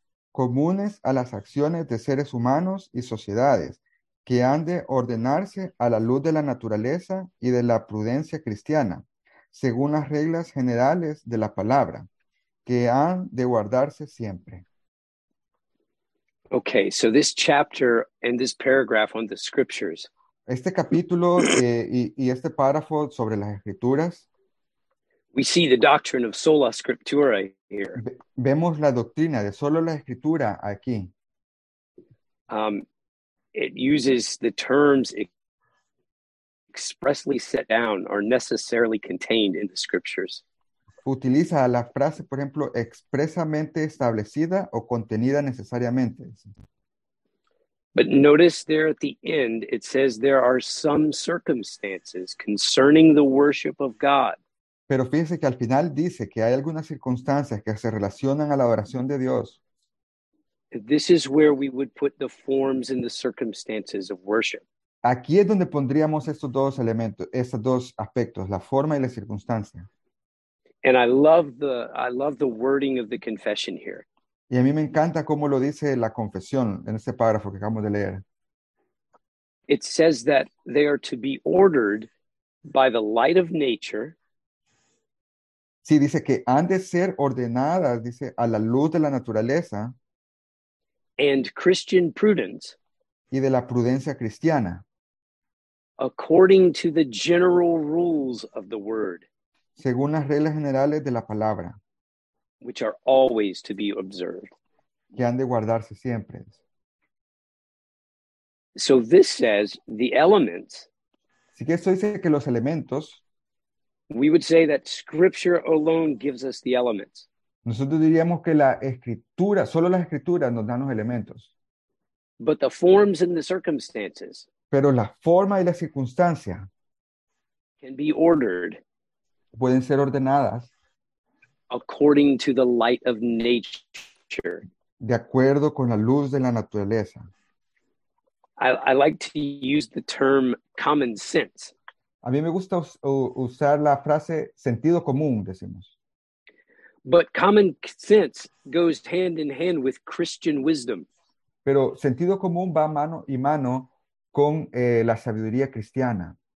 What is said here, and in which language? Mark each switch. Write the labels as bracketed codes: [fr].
[es] comunes a las acciones de seres humanos y sociedades, que han de ordenarse a la luz de la naturaleza y de la prudencia cristiana, según las reglas generales de la palabra, que han de guardarse siempre. [en] Okay, so this chapter and this paragraph on the scriptures. [es] Este capítulo y este párrafo sobre las escrituras. [en] We see the doctrine of sola scriptura here. [es] Vemos la doctrina de solo la escritura aquí. [en] It uses the terms expressly set down or necessarily contained in the scriptures. [es] Utiliza la frase, por ejemplo, expresamente establecida o contenida necesariamente. [en] But notice there at the end, it says there are some circumstances concerning the worship of God. [es] Pero fíjese que al final dice que hay algunas circunstancias que se relacionan a la adoración de Dios. [en] This is where we would put the forms and the circumstances of worship. [es] Aquí es donde pondríamos estos dos elementos, estos dos aspectos, la forma y la circunstancia. [en] And I love the wording of the confession here. [es] Y a mí me encanta cómo lo dice la confesión en este párrafo que acabamos de leer. [en] It says that they are to be ordered by the light of nature. [es] Sí, dice que han de ser ordenadas, dice, a la luz de la naturaleza. [en] And Christian prudence. [es] Y de la prudencia cristiana. [en] According to the general rules of the word. [es] Según las reglas generales de la palabra, [en] which are always to be observed, [es] que han de guardarse siempre. [en] So this says the elements. [es] Así que esto dice que los elementos. [en] We would say that scripture alone gives us the elements. [es] Nosotros diríamos que la escritura, solo las escrituras nos dan los elementos. [en] But the forms and the circumstances. [es] Pero la forma y la circunstancia. [en] Can be ordered. [es] Pueden ser ordenadas [en] according to the light of nature, [es] de acuerdo con la luz de la naturaleza. [en] I like to use the term common sense. [es] A mí me gusta usar la frase sentido común, decimos. [en] But common sense goes hand in hand with Christian wisdom. [es] Pero sentido común va mano y mano con la sabiduría cristiana.